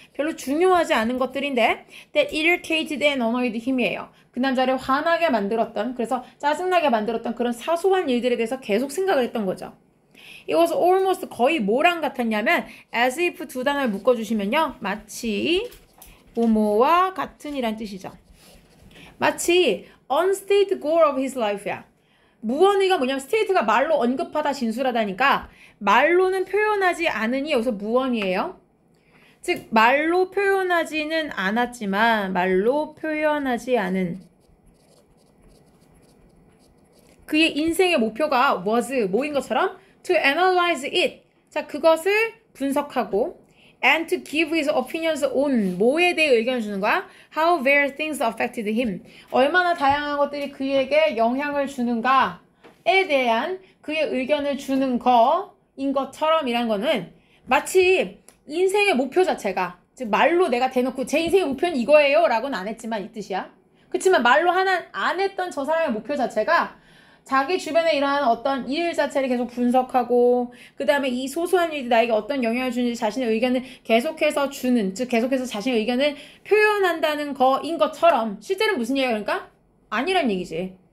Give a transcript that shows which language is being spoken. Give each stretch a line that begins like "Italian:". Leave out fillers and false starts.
Korean: 별로 중요하지 않은 것들인데
English: that irritated and annoyed him이에요.
Korean: 그 남자를 화나게 만들었던, 그래서 짜증나게 만들었던 그런 사소한 일들에 대해서 계속 생각을 했던 거죠.
English: It was almost
Korean: 거의 뭐랑 같았냐면 as if 두 단어를 묶어주시면요. 마치 뭐뭐와 같은 이란 뜻이죠. 마치
English: unstated goal of his life야.
Korean: 무언의가 뭐냐면 스테이트가 말로 언급하다 진술하다니까 말로는 표현하지 않으니 여기서 무언이에요. 즉 말로 표현하지는 않았지만 말로 표현하지 않은 그의 인생의 목표가 was 뭐인 것처럼
English: to analyze it.
Korean: 자 그것을 분석하고
English: And to give his opinions on
Korean: 뭐에 대해 의견을 주는 거야?
English: How various things affected him.
Korean: 얼마나 다양한 것들이 그에게 영향을 주는가에 대한 그의 의견을 주는 거인 것처럼이란 거는 마치 인생의 목표 자체가 즉 말로 내가 대놓고 제 인생의 목표는 이거예요 라고는 안 했지만 이 뜻이야. 그렇지만 말로 하나 안 했던 저 사람의 목표 자체가 자기 주변에 일어나는 어떤 일 자체를 계속 분석하고 그 다음에 이 소소한 일이 나에게 어떤 영향을 주는지 자신의 의견을 계속해서 주는 즉 계속해서 자신의 의견을 표현한다는 거인 것처럼 실제로는 무슨 얘기야 그러니까? 아니란 얘기지.